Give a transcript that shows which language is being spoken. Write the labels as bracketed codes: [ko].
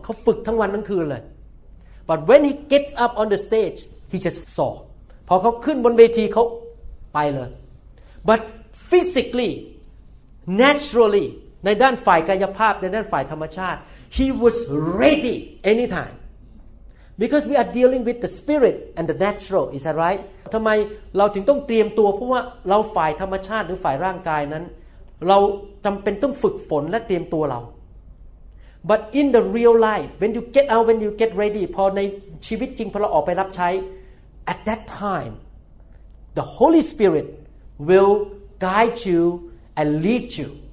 [th] เขาฝึกทั้งวันทั้งคืนเลย [en] But when he gets up on the stage, he just soar. [th] พอเขาขึ้นบนเวทีเขาไปเลย [en] But physically, naturally, [th] ในด้านฝ่ายกายภาพในด้านฝ่ายธรรมชาติ [en] he was ready anytime. Because we are dealing with the spirit and the natural, is that right? [th] ทำไมเราถึงต้องเตรียมตัวเพราะว่าเราฝ่ายธรรมชาติหรือฝ่ายร่างกายนั้นเราจำเป็นต้องฝึกฝนและเตรียมตัวเรา [en] but in the real life when you get out when you get ready [th] พอในชีวิตจริงพอเราออกไปรับใช้ [en] at that time the Holy Spirit will guide you and lead you